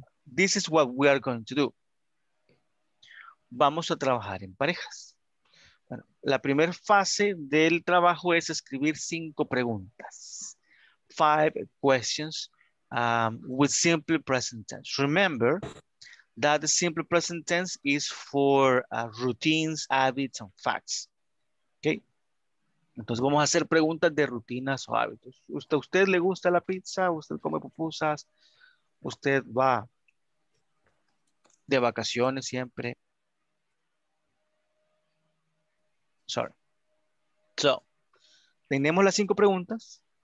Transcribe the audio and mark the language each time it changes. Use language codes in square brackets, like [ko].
[en] This is what we are going to do. [es] Vamos a trabajar en parejas. Bueno, la primera fase del trabajo es escribir 5 preguntas. [en] 5 questions. With simple present tense. Remember that the simple present tense is for routines, habits, and facts. Okay? [es] Entonces vamos a hacer preguntas de rutinas o hábitos. ¿Usted le gusta la pizza? ¿Usted come pupusas? ¿Usted va de vacaciones siempre? [en] Sorry. So, [es] tenemos las 5 preguntas.